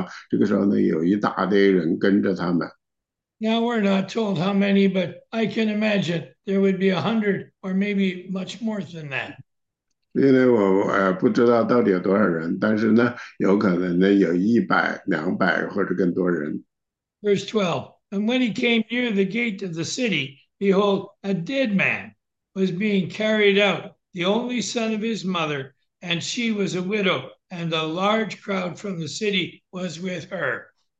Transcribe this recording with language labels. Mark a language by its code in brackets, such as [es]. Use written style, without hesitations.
[zh] 所以你可以去想象，他们在路上走，路上走呢，就是说是大概在东北方向，就是说耶路撒冷城东北方向，他们有可能呢，就是说是往耶路撒冷去的，往耶路撒冷城去的路上，这个时候呢，有一大堆人跟着他们。 [en] Now we're not told how many, but I can imagine there would be 100 or maybe much more than that. [zh] 因为我不知道到底有多少人，但是呢，有可能呢有100、200或者更多人。 [en] Verse 12, and when he came near the gate of the city, behold, a dead man was being carried out, the only son of his mother, and she was a widow, and a large crowd from the city was with her.